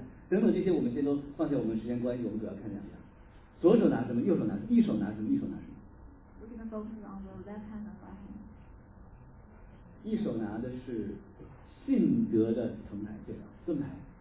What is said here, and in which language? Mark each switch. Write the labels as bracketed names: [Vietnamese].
[Chinese] 等等这些我们先都放下我们时间关系，我们主要看两样，左手拿什么，右手拿什么，一手拿什么，一手拿什么。 [English] We're going to focus on the left hand of my hand. [Chinese] 一手拿的是信德的盾牌，对吧，盾牌。